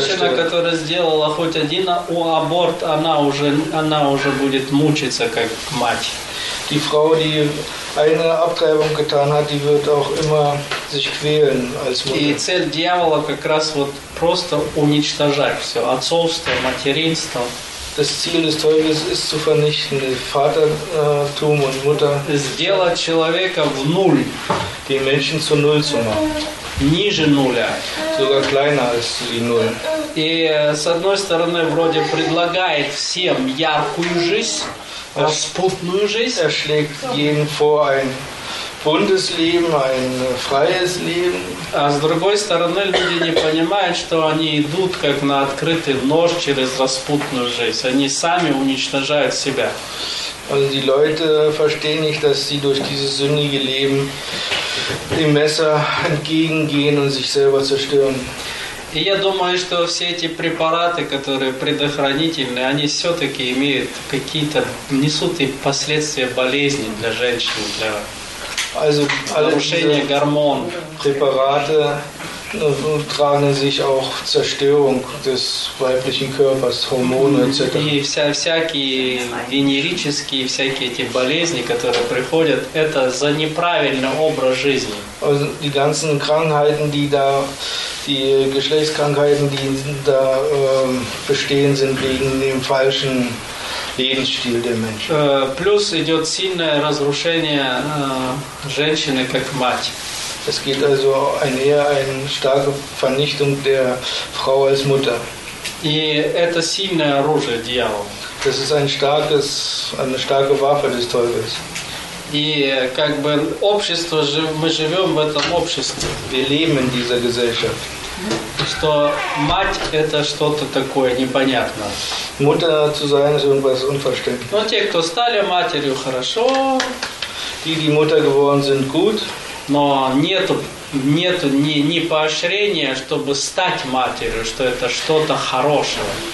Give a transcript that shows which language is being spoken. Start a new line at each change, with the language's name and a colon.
Russian: Женщина, которая сделала хоть один аборт, она уже будет мучиться как мать.
German: Die Frau, die eine Abtreibung getan hat, die wird auch immer sich quälen als Mutter.
Russian: И цель дьявола как раз вот просто уничтожать все, отцовство, материнство.
German: Das Ziel des Teufels ist zu vernichten, den Vatertum und Mutter.
Russian: Сделать человека в ноль.
German: Den Menschen zu null zu machen.
Russian: Ниже нуля.
German: Sogar kleiner als die Null.
Russian: и с одной стороны вроде предлагает всем яркую жизнь, распутную жизнь.
German: Er schlägt ihnen vor ein buntes Leben, ein freies Leben.
Russian: А с другой стороны люди не понимают, что они идут как на открытый нож через распутную жизнь. Они сами уничтожают себя.
German: Also die Leute verstehen nicht, dass sie durch dieses sündige Leben dem Messer entgegengehen und sich selber zerstören.
Russian: И я думаю, что все эти препараты, которые предохранительные, они все-таки имеют какие-то, несут и последствия болезни для женщин, для
German: also,
Russian: нарушения гормон.
German: Препараты tragen sich auch Zerstörung des weiblichen Körpers, Hormone etc.
Russian: И всякие генерические, всякие эти болезни, которые приходят, это за неправильный образ жизни.
German: Also, die ganzen Krankheiten, die da, die Geschlechtskrankheiten, die da bestehen, sind wegen dem falschen Lebensstil der Menschen.
Russian: Plus идет сильное разрушение женщины как мать.
German: Es geht also einher eine starke Vernichtung der Frau als Mutter.
Russian: И это сильное оружие дьявола.
German: Das ist ein starkes, eine starke Waffe des Teufels.
Russian: И как бы общество, мы живем в этом обществе.
German: Wir leben in dieser Gesellschaft.
Russian: Что мать – это что-то такое непонятное.
German: Mutter zu sein ist irgendwas unverständlich.
Russian: Но те, кто стали матерью, хорошо.
German: Die, die Mutter geworden sind, gut.
Russian: Но нету ни поощрения, чтобы стать матерью, что это что-то хорошее.